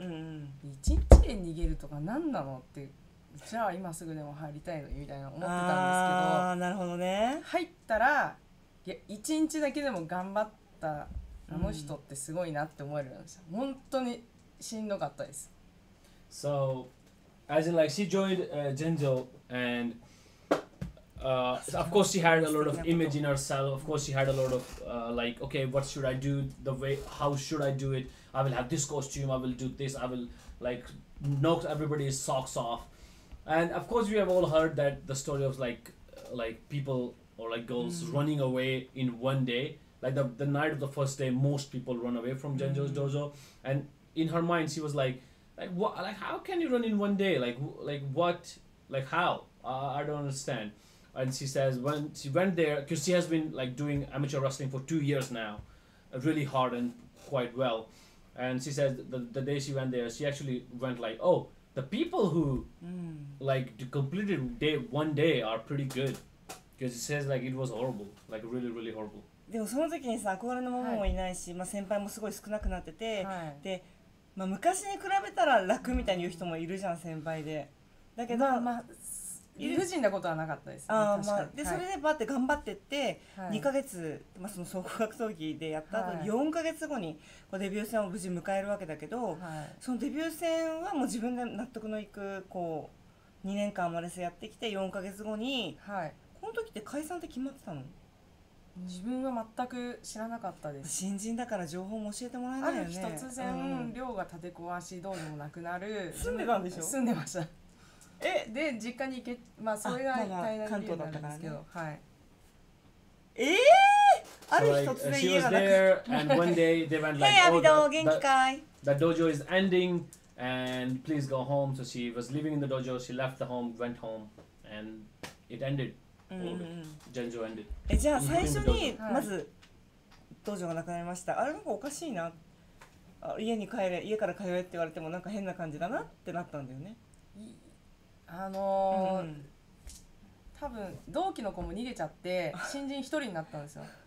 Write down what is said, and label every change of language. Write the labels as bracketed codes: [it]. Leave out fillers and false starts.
[ja] うんうんうん、1日で逃げるとか何なのって、じゃあ今すぐでも入りたいのみたいな思ってたんですけど、あーなるほどね、入ったらいや1日だけでも頑張ったあの人ってすごいなって思えるんですよ、うん、本当にしんどかったです。 [en] So as in like she joined Genjo andso of course she had a lot of image in herself, of course she had a lot of like, okay, what should I do, the way, how should I do it, I will have this costume, I will do this, I will like knock everybody's socks off. And of course we have all heard that the story of like people or like girls mm-hmm. running away in one day, like the night of the first day most people run away from Genjo's mm-hmm. dojo. And in her mind she was like what, like how can you run in one day, like what, like how, I don't understand. And she says when she went there, because she has been like doing amateur wrestling for 2 years now, really hard and quite well. And she says the day she went there, she actually went like, oh, the people who like completed day one day are pretty good. Because she says like it was horrible, like really, really horrible. [ja] でもその時にさ、憧れのモモもいないし、まあ先輩もすごい少なくなってて、はい、で、まあ昔に比べたら楽みたいに言う人もいるじゃん、先輩で。だけど、まあ、理不尽なことはなかったです、ね、あ、まあ、でそれでバッて頑張ってって、はい、2ヶ月、まあ、その総合格闘技でやった後に4ヶ月後にこうデビュー戦を無事迎えるわけだけど、はい、そのデビュー戦はもう自分で納得のいくこう2年間アマレスやってきて4ヶ月後に、はい、この時って解散って決まってたの？自分は全く知らなかったです。新人だから情報も教えてもらえないよね。ある日突然、うん、寮が立て壊しどうにもなくなる。住んでたんでしょ？住んでました。え、で実家に行け、まあそれが一体な理由なんですけど、まあ、はい、ある日突然家がなく、 [en] so like, like, [ja] hey, アビド、元気かい？ [en] That dojo is endingAnd please go home. So she was living in the dojo. She left the home, went home, and it ended. Genjo ended. [ja] え、じゃあ最初にまず道場がなくなりました。あれなんかおかしいな。家に帰れ、家から通えって言われてもなんか変な感じだなってなったんだよね。多分同期の子も逃げちゃって新人一人になったんですよ。